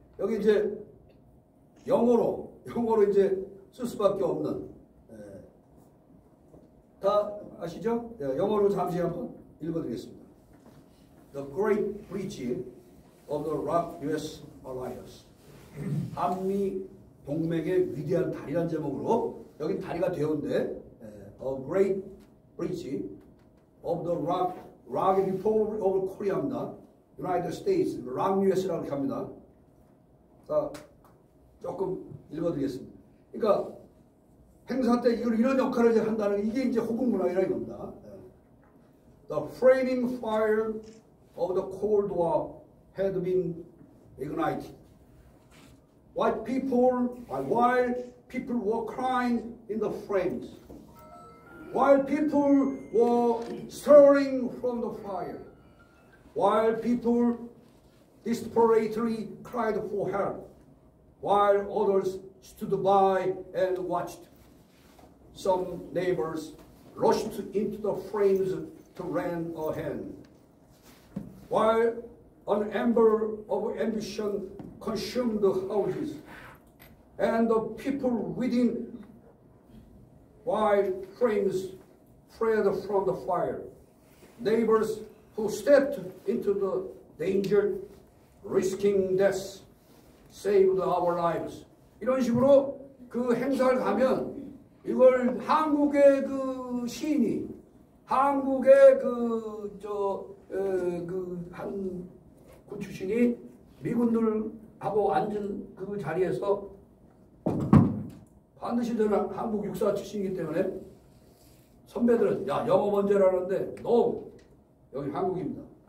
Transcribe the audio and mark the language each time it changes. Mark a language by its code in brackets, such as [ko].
[ko] 여기 이제 영어로 이제 쓸 수밖에 없는 다 아시죠? 영어로 잠시 한번 읽어드리겠습니다. [en] The Great Bridge of the Rock-US Alliance. [ko] 한미 동맹의 위대한 다리란 제목으로 여기 다리가 되었는데 A Great Bridge of the Rock Republic of Korea입니다. United States, Rock-US라고 이렇게 합니다. 자, 조금 읽어드리겠습니다. 그러니까 행사 때 이런 역할을 이제 한다는 이게 이제 호국 문화이라는 겁니다. [en] The Flaming Fire of the Cold War had been ignited. While people were crying in the flames, while people were stirring from the fire, while people desperately cried for help, while others stood by and watched, some neighbors rushed into the flames to lend a hand. While an ember of ambition consumed the houses and the people within, while flames fled from the fire, neighbors who stepped into the danger, risking death, saved our lives. [ko] 이런 식으로 그 행사를 가면 이걸 한국의 그 시인이 한국의 그 저 그 한 군 출신이 미군들하고 앉은 그 자리에서 반드시 저는 한국 육사 출신이기 때문에 선배들은 야 영어 먼저라는데 너 여기 한국입니다.